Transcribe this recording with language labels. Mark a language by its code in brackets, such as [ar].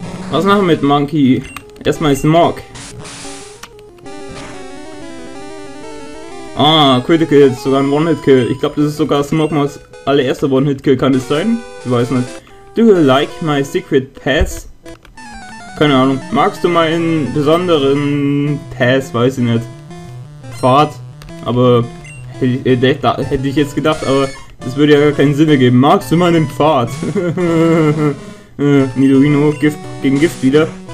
[de] Was machen wir mit Monkey? Erstmal ist Mog. Ah, Critical Hit, sogar ein One-Hit-Kill. Ich glaube, das ist sogar Smogmas allererster One-Hit-Kill, kann es sein? Ich weiß nicht. [en] Do you like my secret pass? [de] Keine Ahnung. Magst du meinen besonderen Pass? Weiß ich nicht. Fahrt? Aber hätte ich jetzt gedacht, aber das würde ja gar keinen Sinn ergeben. Magst du meinen Pfad? Nidorino, Gift gegen Gift wieder.